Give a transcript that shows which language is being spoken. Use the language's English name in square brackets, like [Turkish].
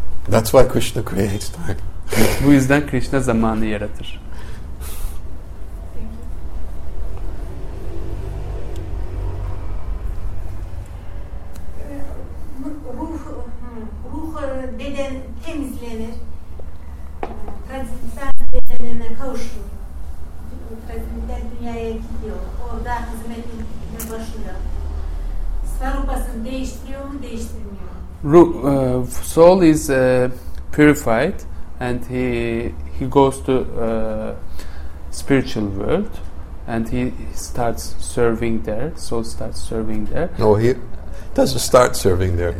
[English] That's why Krishna creates time. [Turkish] Bu yüzden Krishna zamanı yaratır. beden temizlenir. Transcendental bedenine kavuşur. Transcendental dünyaya gidiyor. Orada hizmetine başlıyor. Svarupasını değiştiriyor mu, değiştirmiyor mu? [English] Soul is purified and he goes to spiritual world and he starts serving there. Soul starts serving there. No, he doesn't start serving there.